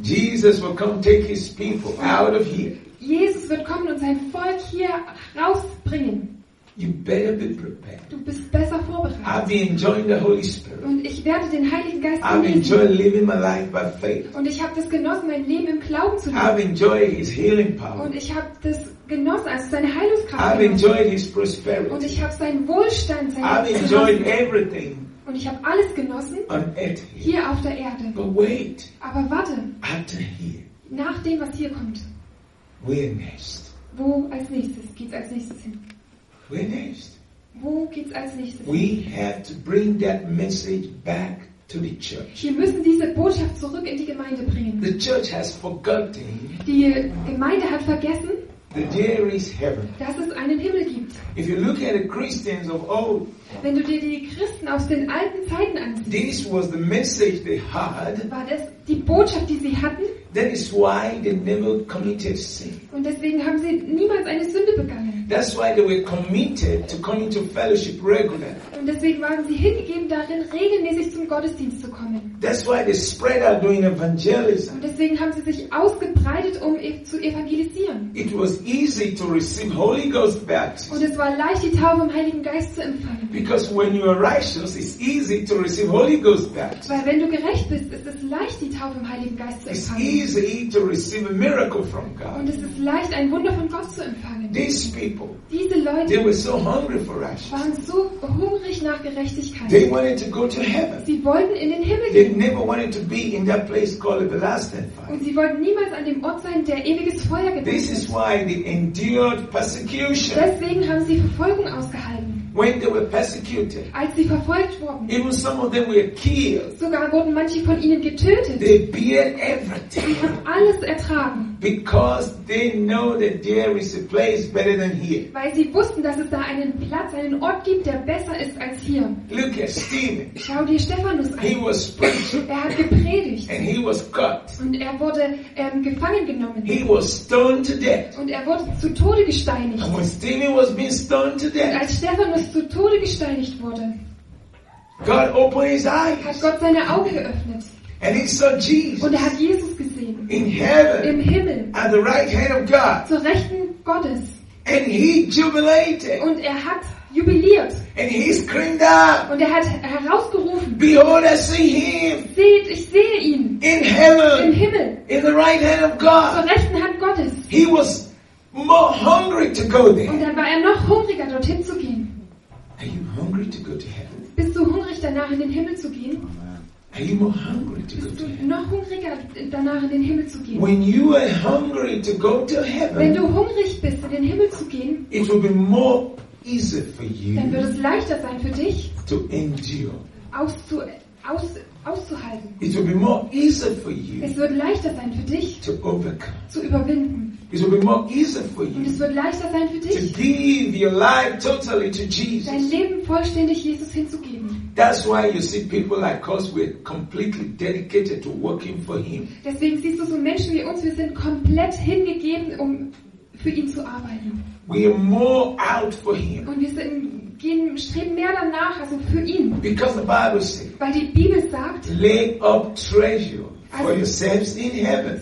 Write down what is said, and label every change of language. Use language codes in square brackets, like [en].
[en] Jesus will come take his people out of here. [de] Jesus wird kommen und sein Volk hier rausbringen. [en] You better be prepared. [de] Du bist besser vorbereitet. [en] I'll be enjoying the Holy Spirit. [de] Und ich werde den Heiligen Geist genießen. [en] I'll be enjoying living my life by faith. [de] Und ich habe das genossen, mein Leben im Glauben zu leben. [en] I'll be enjoying his healing power. [de] Und ich habe das genossen, also seine Heilungskraft. [en] I'll be enjoying his prosperity. [de] Und ich habe seinen Wohlstand, seine [en] I'll be enjoying everything. [de] Und ich habe alles genossen. [en] On earth. [de] Hier auf der Erde. [en] But wait. [de] Aber warte. [en] After here. [de] Nach dem, was hier kommt. [en] Where next? [de] Wo als nächstes? Geht's als nächstes hin? [en] Where next? [de] Wo geht's als nächstes? [en] We have to bring that message back to the church. [de] Wir müssen diese Botschaft zurück in die Gemeinde bringen. [en] The church has forgotten. [de] Die Gemeinde hat vergessen. [en] That there is heaven. [de] Dass es einen Himmel gibt. [en] If you look at the Christians of old. [de] Wenn du dir die Christen aus den alten Zeiten ansiehst. [en] This was the message they had. [de] War das die Botschaft, die sie hatten? [en] That is why they never committed sin. [de] Und deswegen haben sie niemals eine Sünde begangen. [en] That's why they were committed to coming to fellowship regularly. [de] Und deswegen waren sie hingegeben darin, regelmäßig zum Gottesdienst zu kommen. [en] That's why they spread out doing evangelism. [de] Und deswegen haben sie sich ausgebreitet, um zu evangelisieren. [en] It was easy to receive Holy Ghost baptism. [de] Und es war leicht, die Taufe im Heiligen Geist zu empfangen. [en] Because when you are righteous, it's easy to receive Holy Ghost baptism. [de] Weil wenn du gerecht bist, ist es leicht, die Taufe im Heiligen Geist zu empfangen. [en] It's easy to receive a miracle from God. [de] Und es ist leicht, ein Wunder von Gott zu empfangen. [en] These people, [de] diese Leute, [en] they were so hungry for righteousness. [de] Waren so hungrig nicht nach Gerechtigkeit. [en] They wanted to go to heaven. [de] Sie wollten in den Himmel gehen. [en] They never wanted to be in that place called the last fire. [de] Und sie wollten niemals an dem Ort sein, der ewiges Feuer gedacht [en] This is why they endured persecution. [de] Deswegen haben sie Verfolgung ausgehalten. [en] When they were persecuted, [de] als sie verfolgt wurden, [en] even some of them were killed. [de] Sogar wurden manche von ihnen getötet. [en] They bear everything. [de] Sie haben alles ertragen. [en] Because they know that there is a place better than here. [de] Weil sie wussten, dass es da einen Platz, einen Ort gibt, der besser ist als hier. [en] Look at Stephen. [de] Schau dir Stephanus an. [en] He was preached. [de] Er hat gepredigt. [en] And he was cut. [de] Und er wurde gefangen genommen. [en] He was stoned to death. [de] Und er wurde zu Tode gesteinigt. [en] And when Stephen was being stoned to death. [de] Und als Stephanus zu Tode gesteinigt wurde. [en] God opened his eyes. [de] Hat Gott seine Augen geöffnet. [en] And he saw Jesus. [de] Und er hat Jesus gesehen. [en] In heaven. [de] Im Himmel. [en] At the right hand of God. [de] Zur rechten Gottes. [en] And he jubilated. [de] Und er hat jubiliert. [en] And he screamed out. [de] Und er hat herausgerufen. [en] Behold, I see him. [de] Seht, ich sehe ihn. [en] In heaven. [de] Im Himmel. [en] In the right hand of God. [de] Zur rechten Hand Gottes. [en] He was more hungry to go there. [de] Und dann war er noch hungriger, dorthin zu gehen. [en] Are you hungry to go to heaven? [de] Bist du hungrig danach, in den Himmel zu gehen? [en] Are you more hungry to go to heaven? [de] Noch hungriger, danach in den Himmel zu gehen? [en] When you are hungry to go to heaven, [de] wenn du hungrig bist, in den Himmel zu gehen, [en] it will be more easy for you, [de] dann wird es leichter sein für dich, [en] to endure. [de] Auszuhalten. [en] It will be more easy for you, [de] es wird leichter sein für dich, [en] to overcome. [de] Zu überwinden. [en] It will be more easy for you, [de] und es wird leichter sein für dich, [en] to give your life totally to Jesus. [de] Dein Leben vollständig Jesus hinzugeben. [en] That's why you see people like us, we're completely dedicated to working for him. [de] Deswegen siehst du so Menschen wie uns, wir sind komplett hingegeben, um für ihn zu arbeiten. [en] We are more out for him. [de] Und wir sind, streben mehr danach, also für ihn. [en] Because the Bible says, [de] weil die Bibel sagt, [en] lay up treasure for yourselves in heaven.